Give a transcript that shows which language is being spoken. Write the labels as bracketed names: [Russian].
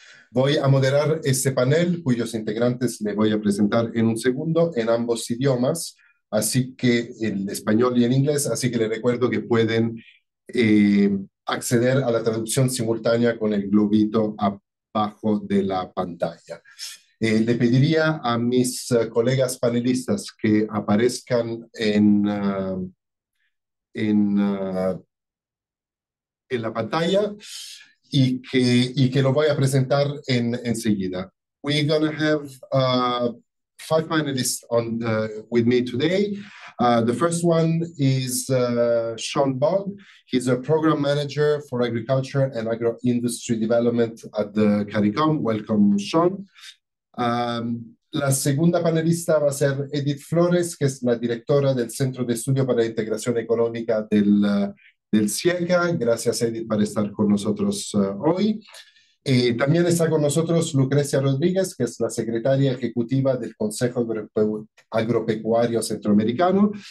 [Spanish] Voy a moderar este panel, cuyos integrantes me voy a presentar en un segundo, en ambos idiomas, así que en español y en inglés, así que les recuerdo que pueden acceder a la traducción simultánea con el globito abajo de la pantalla. Le pediría a mis colegas panelistas que aparezcan en la pantalla. Y que lo voy a presentar enseguida. [English] We're going to have five panelists with me today. The first one is Sean Bogg. He's a Program Manager for Agriculture and Agro-Industry Development at the CARICOM. Welcome, Sean. [Spanish] La segunda panelista va a ser Edith Flores, que es la directora del Centro de Estudio para la Integración Económica del CIECA. Gracias, Edith, por estar con nosotros hoy. También está con nosotros Lucrecia Rodríguez, que es la secretaria ejecutiva del Consejo Agropecuario Centroamericano.